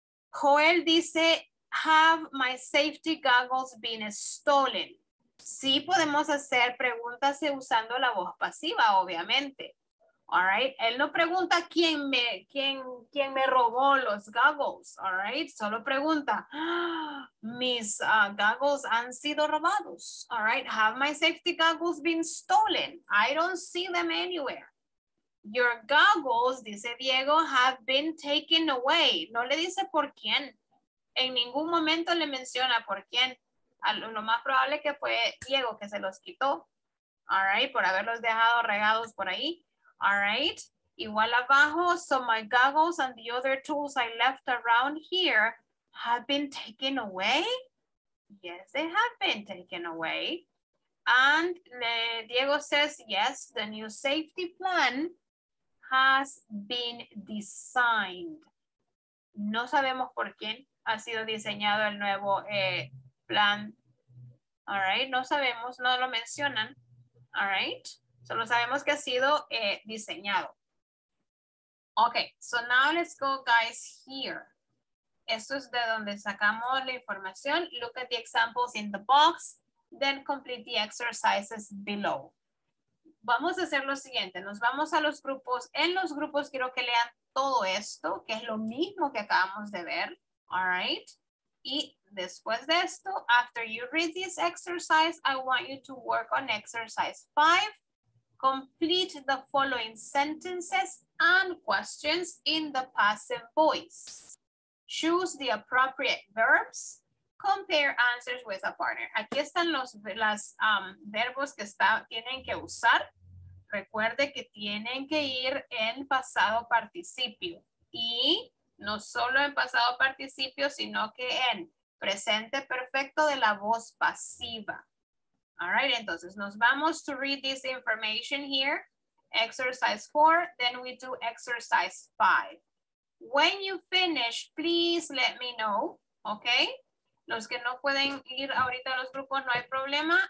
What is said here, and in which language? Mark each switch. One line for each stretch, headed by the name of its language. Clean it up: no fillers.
English: Joel dice, have my safety goggles been stolen?
Spanish: Sí, podemos hacer preguntas usando la voz pasiva, obviamente. All right. Él no pregunta quién me robó los goggles. All right. Solo pregunta, mis goggles han sido robados. All right.
English: Have my safety goggles been stolen? I don't see them anywhere. Your goggles, dice Diego, have been taken away.
Spanish: No le dice por quién. En ningún momento le menciona por quién. Lo más probable que fue Diego que se los quitó. All right. Por haberlos dejado regados por ahí.
English: All right, igual abajo, so my goggles and the other tools I left around here have been taken away? Yes, they have been taken away. And Diego says, yes, the new safety plan has been designed.
Spanish: No sabemos por quién ha sido diseñado el nuevo plan. All right, no sabemos, no lo mencionan. All right.
English: Solo sabemos que ha sido diseñado. Okay, so now let's go, guys, here.
Spanish: Esto es de donde sacamos la información.
English: Look at the examples in the box, then complete the exercises below.
Spanish: Vamos a hacer lo siguiente. Nos vamos a los grupos. En los grupos quiero que lean todo esto, que es lo mismo que acabamos de ver.
English: All right. Y después de esto, after you read this exercise, I want you to work on exercise 5. Complete the following sentences and questions in the passive voice. Choose the appropriate verbs. Compare answers with a partner.
Spanish: Aquí están los verbos que tienen que usar. Recuerde que tienen que ir en pasado participio. Y no solo en pasado participio, sino que en presente perfecto de la voz pasiva.
English: All right, entonces nos vamos to read this information here. Exercise 4, then we do exercise 5. When you finish, please let me know, okay?
Spanish: Los que no pueden ir ahorita a los grupos, no hay problema.